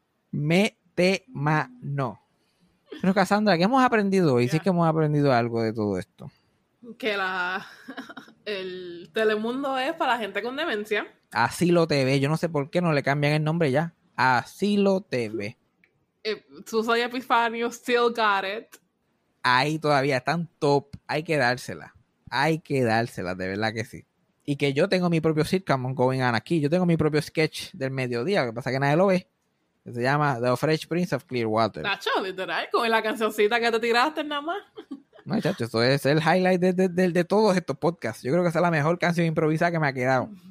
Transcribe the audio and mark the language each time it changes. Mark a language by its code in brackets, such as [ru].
[es] Mete mano. Bueno, Cassandra, ¿qué hemos aprendido hoy? [en] Yeah. [es] Sí, es que hemos aprendido algo de todo esto. Que el Telemundo es para la gente con demencia. Asilo TV. Yo no sé por qué no le cambian el nombre ya. Asilo TV. [en] Susana Epifanio still got it. [es] Ahí todavía están top. Hay que dársela, de verdad que sí. Y que yo tengo mi propio sitcom [en] going on [es] aquí. Yo tengo mi propio sketch del mediodía. Lo que pasa es que nadie lo ve. Que se llama The Fresh Prince of Clearwater. Nacho, literal. Con la cancioncita que te tiraste nada más. No, chacho, eso es el highlight de todos estos podcasts. Yo creo que esa es la mejor canción improvisada que me ha quedado.